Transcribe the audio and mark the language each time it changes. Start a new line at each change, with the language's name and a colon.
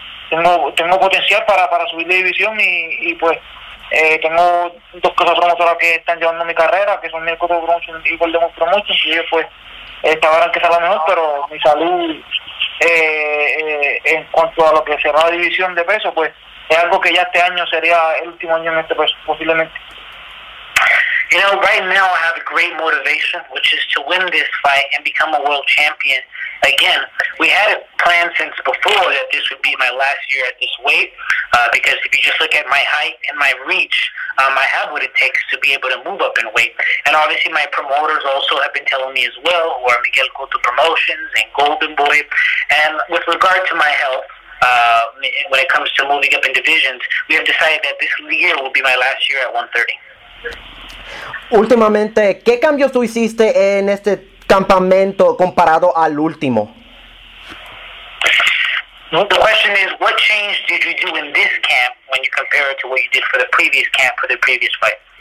Spanish: tengo potencial para subir de división y pues tengo dos cosas promotoras que están llevando mi carrera, que son Mirko Promotion y Goldemo Promotion, y ellos pues estaban que salga mejor, pero mi salud en cuanto a lo que será la división de peso, pues es algo que ya este año sería el último año en este peso, posiblemente.
English: You know, right now I have a great motivation, which is to win this fight and become a world champion. Again, we had it planned since before that this would be my last year at this weight, because if you just look at my height and my reach, I have what it takes to be able to move up in weight. And obviously my promoters also have been telling me as well, who are Miguel Cotto Promotions and Golden Boy. And with regard to my health, when it comes to moving up in divisions, we have decided that this year will be my last year at 130.
Spanish: Últimamente, ¿qué cambios tú hiciste en este campamento comparado al último?
English: The question is, what change did you do in this camp when you compare it to what you did for the previous camp, for the previous fight?